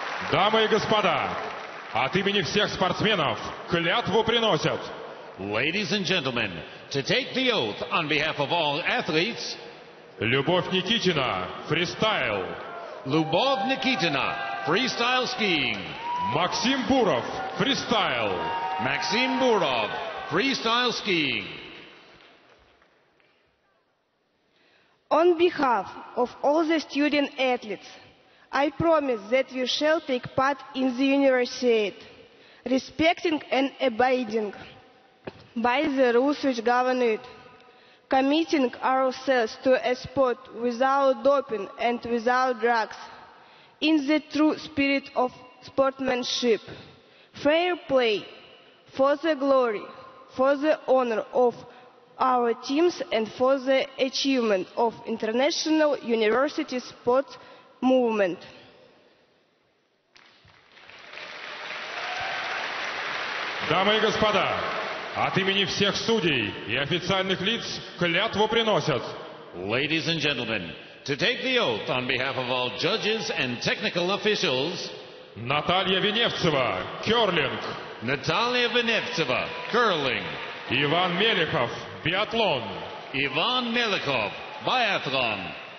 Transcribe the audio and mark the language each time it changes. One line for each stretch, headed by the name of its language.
Russian: Дамы и господа, от имени всех спортсменов клятву приносят.
English: Ladies and gentlemen, to take the oath on behalf of all athletes.
Russian: Любовь Никитина, фристайл.
English: Любовь Никитина, фристайл скиинг.
Russian: Максим Буров, фристайл.
English: Максим Буров, фристайл скиинг. On behalf of all the student athletes, I promise that we shall take part in the Universiade, respecting and abiding by the rules which govern it, committing ourselves to a sport without doping and without drugs, in the true spirit of sportsmanship, fair play, for the glory, for the honor of our teams and for the achievement of international university sports movement.
Russian: Дамы и господа, от имени всех судей и официальных лиц клятву приносят.
English: Ladies and gentlemen, to take the oath on behalf of all judges and technical officials.
Russian: Наталья Веневцева, кёрлинг.
English: Наталья Веневцева, curling.
Russian: Иван Меликов, биатлон. Иван Меликов, биатлон.